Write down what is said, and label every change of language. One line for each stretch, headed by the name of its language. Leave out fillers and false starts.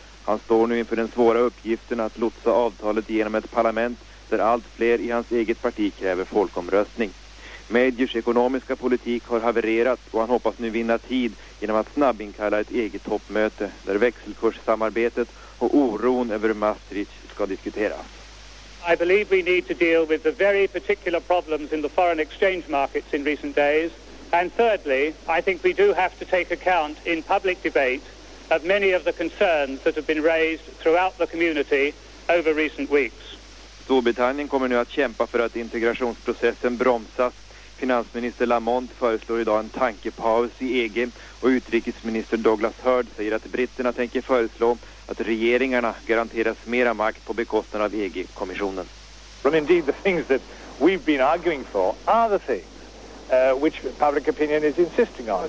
Swedish: Han står nu inför den svåra uppgiften att lotsa avtalet genom ett parlament där allt fler i hans eget parti kräver folkomröstning. Majors ekonomiska politik har havererat och han hoppas nu vinna tid genom att snabbinkalla ett eget toppmöte där växelkurssamarbetet och oron över Maastricht ska diskuteras.
English: I believe we need to deal with the very particular problems in the foreign exchange markets in recent days. And thirdly, I think we do have to take account in public debate of many of the concerns that have been raised throughout the community over recent weeks.
Swedish: Storbritannien kommer nu att kämpa för att integrationsprocessen bromsas. Finansminister Lamont föreslår idag en tankepaus i EG och utrikesminister Douglas Hurd säger att britterna tänker föreslå att regeringarna garanteras mera makt på bekostnad av EG-kommissionen.
English: And indeed the things that we've been arguing for are the things which public opinion is insisting on.